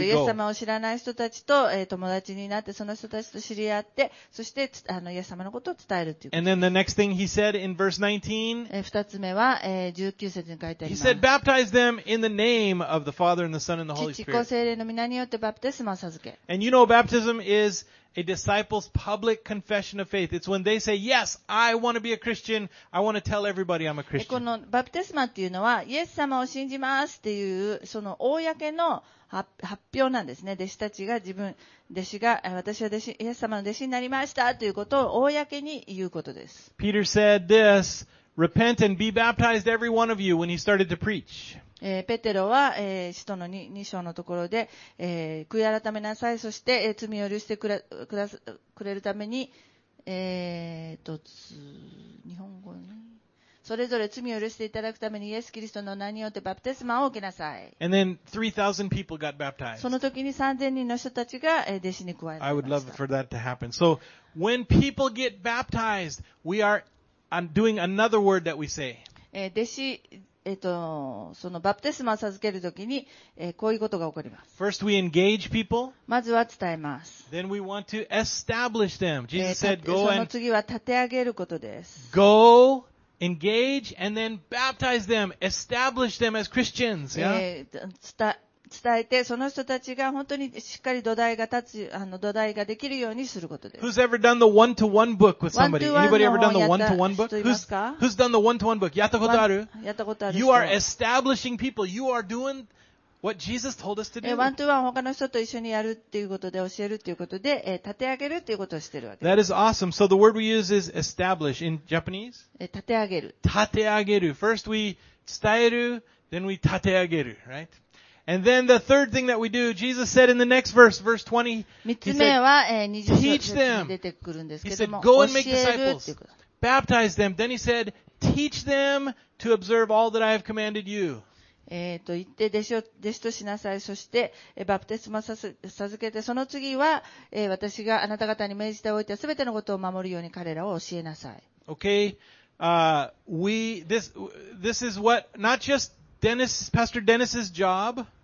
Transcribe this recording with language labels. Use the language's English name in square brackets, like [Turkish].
[Japanese] イエス様を知らない人たちと、友達になって、その人たちと知り合って、そして、イエス様のことを伝えるっていうこと。 [English] And then the next thing he said in verse 19. [Japanese] 二つ目は、19節に書いてあります。 [English] He said, baptize them in the name of the Father and the Son and the Holy Spirit. [Japanese] 父子聖霊の名によってバプテスマを授け。 [English] And you know, baptism is a disciple's public confession of faith. It's when they say, yes, I want to be a Christian. I want to tell everybody I'm a Christian. [Japanese] このバプテスマっていうのは、イエス様を信じますっていう、その公の発表なんですね。弟子たちが私は弟子、イエス様の弟子になりましたということを公に言うことです。 [English] Peter said this, repent and be baptized every one of you when he started to preach. [Japanese] ペテロは、使徒の 2章のところで、悔い改めなさい、そして、罪を許してくれるために、日本語ね。それぞれ罪を許していただくためにイエス・キリストの名によってバプテスマを受けなさい。 [English] And then 3,000 people got baptized. [Japanese] その時に3,000人の人たちが弟子に加えられました。 [English] I would love for that to happen. So, when people get baptized, we are doing another word that we say. [Japanese] 弟子そのバプテスマを授けるときに、こういうことが起こります。 [English] First, we engage people. [Japanese] まずは伝えます。 [English] Then we want to establish them. Jesus said, go and [Japanese] その次は立て上げることです。 [English] Go, engage, and then baptize them. Establish them as Christians. Yeah? [Japanese] 伝えて、その人たちが本当にしっかり土台が立つ、土台ができるようにすることです。 [English] Who's ever done the one-to-one book with somebody? Anybody ever done the one-to-one book? Who's done the one-to-one book? [Japanese] やったことある？やったことある。 [English] You are establishing people. You are doing what Jesus told us to do. [Japanese] One-to-one 他の人と一緒にやるっていうことで、教えるっていうことで、立て上げるっていうことをしてるわけです。 [English] That is awesome. So the word we use is establish in Japanese? [Japanese] 立て上げる。立て上げる。 [English] First we [Japanese] 伝える、 [English] then we [Japanese] 立て上げる、 [English] right? And then the third thing that we do, Jesus said in the next verse, verse 20, he said, teach them. He said, go and make disciples. Baptize them. Then he said, teach them to observe all that I have commanded you. [Japanese] 言って弟子としなさい。そして、バプテスマを授けて、その次は、私があなた方に命じておいた全てのことを守るように彼らを教えなさい。 [English] Okay. This is what, not just Dennis, Pastor Dennis's job,